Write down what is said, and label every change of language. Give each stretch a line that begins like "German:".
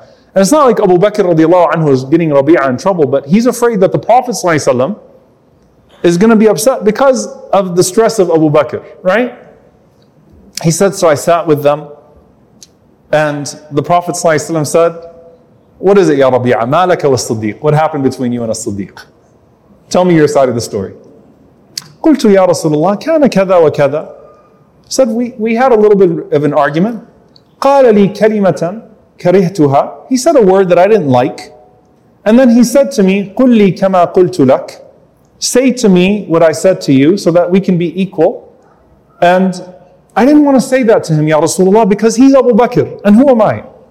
English: And it's not like Abu Bakr radiallahu anhu is getting Rabi'ah in trouble, but he's afraid that the Prophet ﷺ is going to be upset because of the stress of Abu Bakr, right? He said, so I sat with them, and the Prophet ﷺ said, what is it, Ya Rabi'ah?
Arabic: Ma laka wa as-Siddiq?
English: What happened between you and as-Siddiq? Tell me your side of the story.
Arabic: قلت يا رسول الله كان كذا وكذا.
English: Said, we had a little bit of an argument.
Arabic: قال لي كلمة كرهتها.
English: He said a word that I didn't like. And then he said to me,
Arabic: قُلِّي كَمَا قُلْتُ لَكَ.
English: Say to me what I said to you so that we can be equal. And I didn't want to say that to him, Ya Rasulullah, because he's Abu Bakr. And who am I?